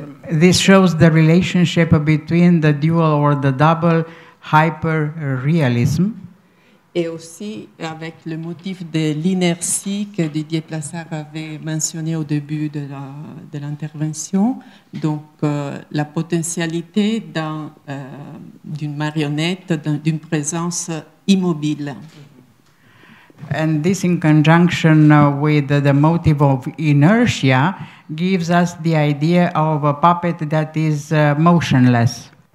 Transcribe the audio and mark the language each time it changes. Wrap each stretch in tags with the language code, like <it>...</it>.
<en>This shows the relationship between the dual or the double hyperrealism.</en> <fr>Et aussi avec le motif de l'inertie que Didier Plassard avait mentionné au début de l'intervention. Donc la potentialité d'une marionnette, d'une présence immobile.</fr> <en>And this in conjunction with the motive of inertia gives us the idea of a puppet that is motionless.</en>